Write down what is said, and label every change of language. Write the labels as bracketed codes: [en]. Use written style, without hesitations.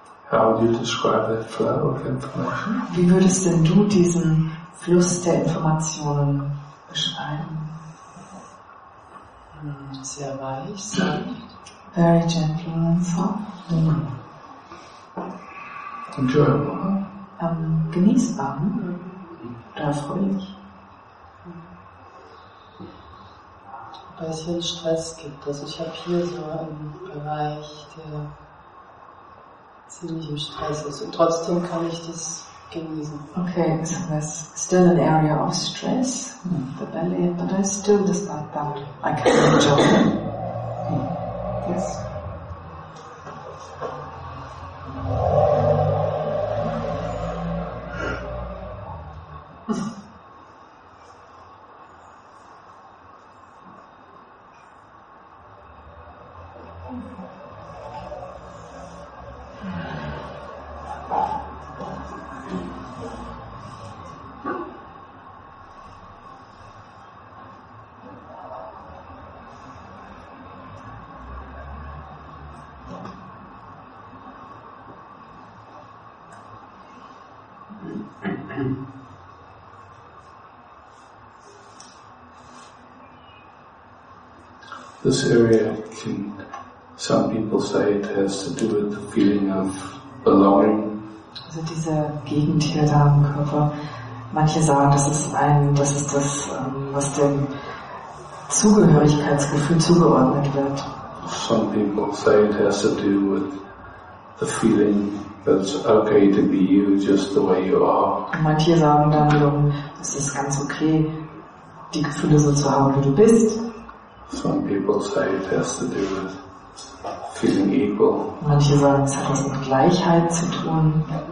[en] How would you describe that flow of information? [de] Wie würdest denn du diesen Fluss der Informationen beschreiben? Sehr weich, [en] very gentle and soft. Enjoyable. [de] Genießbar. Erfreulich. Ein bisschen Stress gibt. Also ich habe hier so einen Bereich, der ziemlich im Stress ist. Und trotzdem kann ich das genießen. [en] Okay, so there's still an area of stress in the belly, but I still despite that. I can enjoy it. Yes. This area can, some people say it has to do with the feeling of belonging. [de] Also diese Gegend hier da am Körper, manche sagen, das ist das, was dem Zugehörigkeitsgefühl zugeordnet wird. [en] Some people say it has to do with the feeling that it's okay to be you just the way you are. [de] Und manche sagen dann, es ist ganz okay, die Gefühle so zu haben, wie du bist. [en] Some people say it has to do with feeling equal. [de] Manche sagen, es hat was mit Gleichheit zu tun.